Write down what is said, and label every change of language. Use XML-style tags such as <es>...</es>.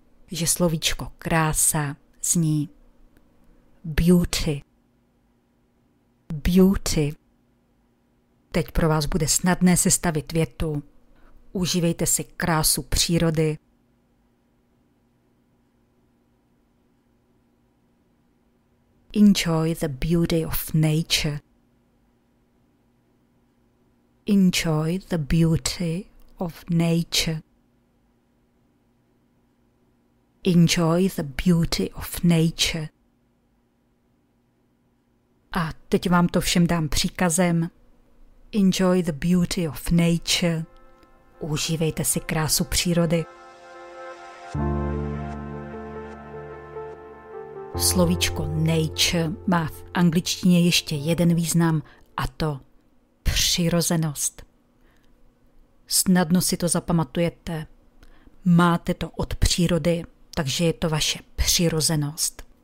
<cs>Že slovíčko krása zní beauty. Beauty. Teď pro vás bude snadné sestavit větu. Užívejte si krásu přírody.</cs> <en>Enjoy the beauty of nature. Enjoy the beauty of nature. Enjoy the beauty of nature.</en> <cs>A teď vám to všem dám příkazem.</cs> <en>Enjoy the beauty of nature.</en> <cs>Užívejte si krásu přírody. Slovíčko nature má v angličtině ještě jeden význam, a to přirozenost. Snadno si to zapamatujete. Máte to od přírody, takže je to vaše přirozenost.</cs>